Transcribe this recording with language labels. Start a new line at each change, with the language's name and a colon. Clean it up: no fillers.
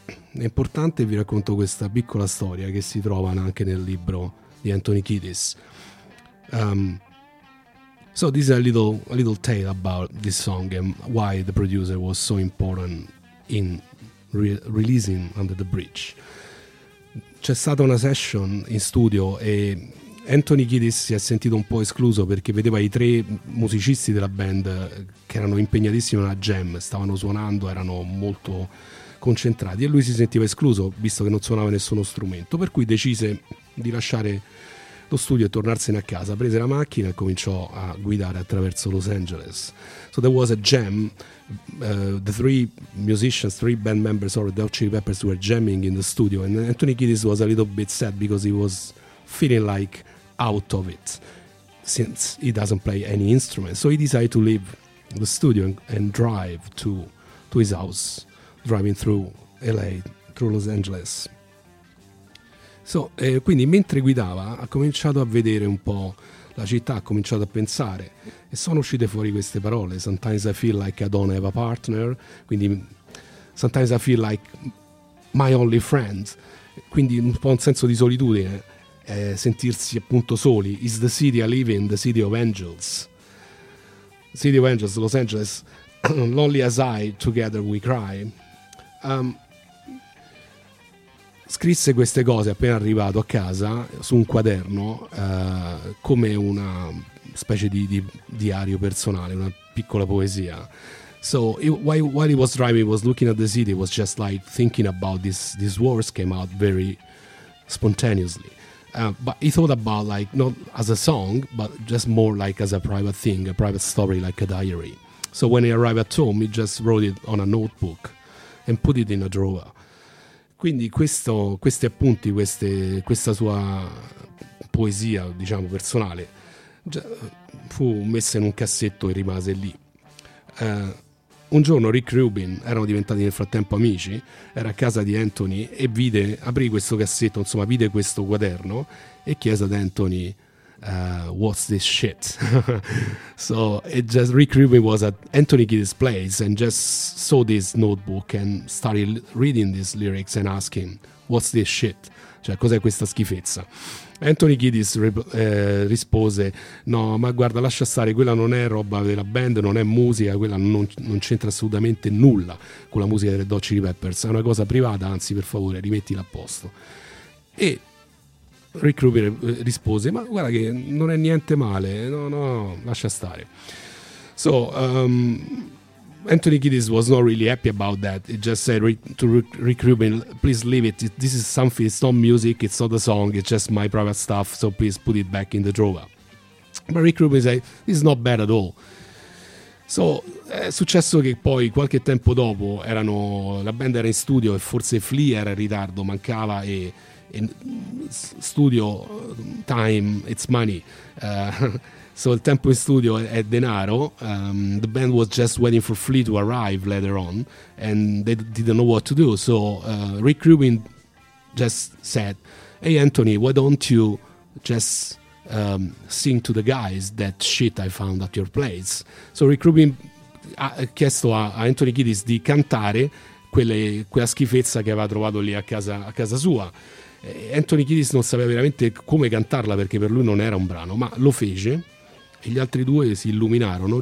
Italian: È importante, vi racconto questa piccola storia che si trova anche nel libro di Anthony Kiedis.
English: So this is a little tale about this song and why the producer was so important in releasing Under the Bridge.
Italian: C'è stata una session in studio e Anthony Kiedis si è sentito un po' escluso perché vedeva i tre musicisti della band che erano impegnatissimi nella jam, stavano suonando, erano molto concentrati, e lui si sentiva escluso visto che non suonava nessuno strumento, per cui decise di lasciare lo studio e tornarsene a casa. Prese la macchina e cominciò a guidare attraverso Los Angeles.
English: So there was a jam, the three band members, the Chili Peppers were jamming in the studio, and Anthony Kiedis was a little bit sad because he was feeling like out of it since he doesn't play any instrument. So he decided to leave the studio and drive to his house, driving through LA, through Los Angeles.
Italian: Quindi mentre guidava ha cominciato a vedere un po' la città, ha cominciato a pensare, e sono uscite fuori queste parole:
English: sometimes I feel like I don't have a partner,
Italian: quindi
English: sometimes I feel like my only friend,
Italian: quindi un po' un senso di solitudine, sentirsi appunto soli.
English: Is the city I live in the city of angels? City of angels, Los Angeles, lonely as I, together we cry.
Italian: Scrisse queste cose appena arrivato a casa su un quaderno, come una specie di diario personale, una piccola poesia.
English: So while he was driving, he was looking at the city, he was just like thinking about these words came out very spontaneously. But he thought about, like, not as a song, but just more like as a private thing, a private story, like a diary. So when he arrived at home, he just wrote it on a notebook and put it in a drawer.
Italian: Quindi questi appunti, questa sua poesia, diciamo, personale, fu messa in un cassetto e rimase lì. Un giorno Rick Rubin, erano diventati nel frattempo amici, era a casa di Anthony e aprì questo cassetto, insomma, vide questo quaderno e chiese ad Anthony,
English: what's this shit? So it just, Rick Rubin was at Anthony Kiedis' place and just saw this notebook and started reading these lyrics and asking, what's this shit?
Italian: Cioè, cos'è questa schifezza? Anthony Kiedis rispose, no, ma guarda, lascia stare, quella non è roba della band, non è musica, quella non c'entra assolutamente nulla con la musica delle Dolce Peppers, è una cosa privata, anzi, per favore, rimettila a posto. E Rick Rubin rispose, ma guarda che non è niente male, no, lascia stare.
English: So Anthony Kiedis was not really happy about that. He just said to Rick Rubin, please leave it, this is something, it's not music, it's not a song, it's just my private stuff, so please put it back in the drawer. But Rick Rubin said, this is not bad at all.
Italian: So è successo che poi qualche tempo dopo la band era in studio e forse Flea era in ritardo, mancava, e in studio
English: time it's money,
Italian: so il tempo in studio è denaro.
English: The band was just waiting for Flea to arrive later on and they didn't know what to do, so Rick Rubin just said, hey Anthony, why don't you just sing to the guys that shit I found at your place.
Italian: So Rick Rubin ha chiesto a Anthony Kiedis di cantare quella schifezza che aveva trovato lì a casa sua. Anthony Kiedis non sapeva veramente come cantarla perché per lui non era un brano, ma lo fece e gli altri due si illuminarono.